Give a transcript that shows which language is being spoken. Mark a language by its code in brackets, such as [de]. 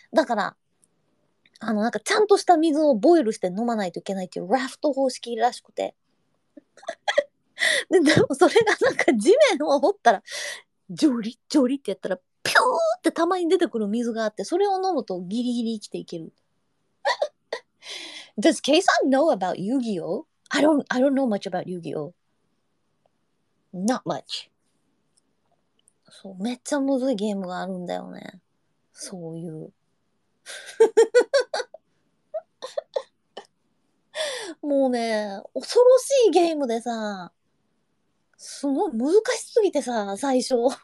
[ja] だから、なんかちゃんとした水をボイルして飲まないといけないっていうラフト方式らしくて。でもそれがなんか地面を掘ったら、ジョリジョリってやったら、ピューってたまに出てくる水があって、それを飲むとギリギリ生きていける。 [en] Does K さん know about Yu-Gi-Oh? I don't know much about Yu-Gi-Oh. Not much. [ja] そう、めっちゃむずいゲームがあるんだよね。そういう。もうね、恐ろしいゲームでさ、すごい難しすぎてさ、最初。